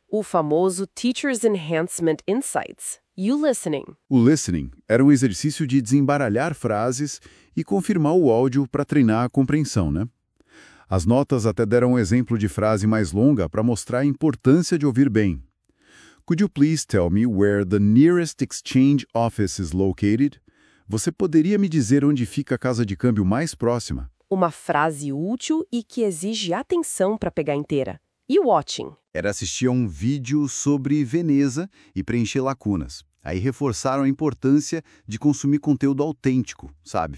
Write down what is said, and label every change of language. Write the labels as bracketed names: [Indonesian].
[Portuguese] O famoso Teacher's Enhancement Insights. E o listening? O listening era um exercício de desembaralhar frases e confirmar o áudio para treinar a compreensão, né? As notas até deram um exemplo de frase mais longa para mostrar a importância de ouvir bem. [English] Could you please tell me where the nearest exchange office is located? [Portuguese] Você poderia me dizer onde fica a casa de câmbio mais próxima? Uma frase útil e que exige atenção para pegar inteira. E watching? Era assistir a um vídeo sobre Veneza e preencher lacunas. Aí reforçaram a importância de consumir conteúdo autêntico, sabe?